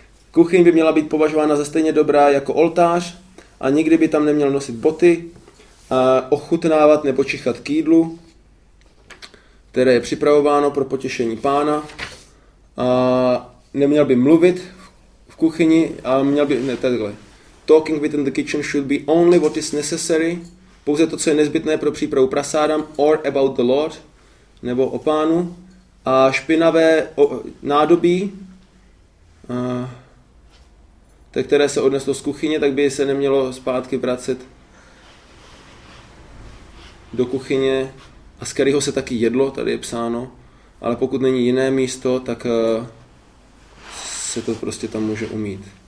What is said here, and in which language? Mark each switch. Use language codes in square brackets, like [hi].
[cs] Kuchyň by měla být považována za stejně dobrá jako oltář a nikdy by tam neměl nosit boty, a ochutnávat nebo čichat k jídlu, které je připravováno pro potěšení pána. A neměl by mluvit v kuchyni a měl by... Ne, takhle. [en] Talking within the kitchen should be only what is necessary. [cs] Pouze to, co je nezbytné pro přípravu prasádam [en] or about the Lord. [cs] Nebo o pánu, a špinavé nádobí, te, které se odneslo z kuchyně, tak by se nemělo zpátky vracet do kuchyně, a z kterého se taky jedlo, tady je psáno, ale pokud není jiné místo, tak se to prostě tam může umít.